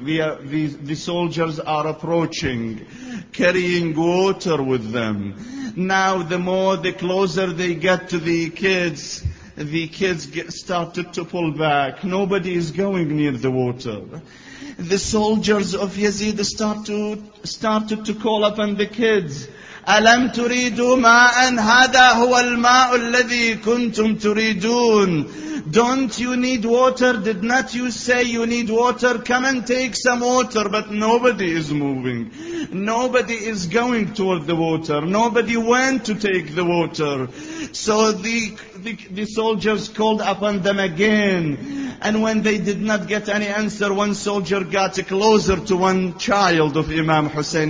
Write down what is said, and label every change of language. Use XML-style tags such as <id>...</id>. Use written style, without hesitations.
<en>The soldiers are approaching, carrying water with them. Now the closer they get to the kids started to pull back. Nobody is going near the water. The soldiers of Yazid started to call upon the kids.</en> <ar>أَلَمْ تُرِيدُوا مَاءً هَذَا هُوَ الْمَاءُ الَّذِي كُنْتُمْ تُرِيدُونَ</ar> <en>Don't you need water? Did not you say you need water? Come and take some water. But nobody is moving. Nobody is going toward the water. Nobody went to take the water. So the soldiers called upon them again. And when they did not get any answer, one soldier got closer to one child of Imam Hussein.</en>